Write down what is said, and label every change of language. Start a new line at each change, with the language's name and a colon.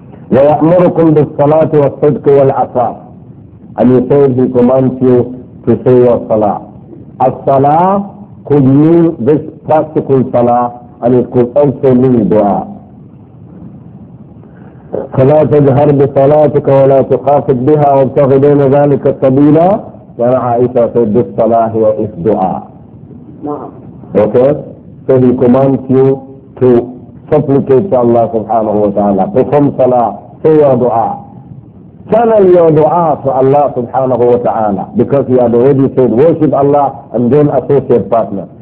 Arabic: وَيَأْمُرُكُمْ بِالصَّلَاةِ وَالصِّدْقِ وَالْعَفَافِ.
English: And he said he commands you to say your salah. As-salah could mean this practical salah, and it could also mean dua.
Arabic: فلا تجهر بصلاتك ولا تخافت بها وابتغ بين ذلك سبيلا.
English: كان عائشة said this salah is dua. Okay? So he commands you to supplicate to Allah subhanahu wa ta'ala. Perform salah, say your dua. Channel your dua to Allah subhanahu wa ta'ala. Because he had already said worship Allah and then associate partner.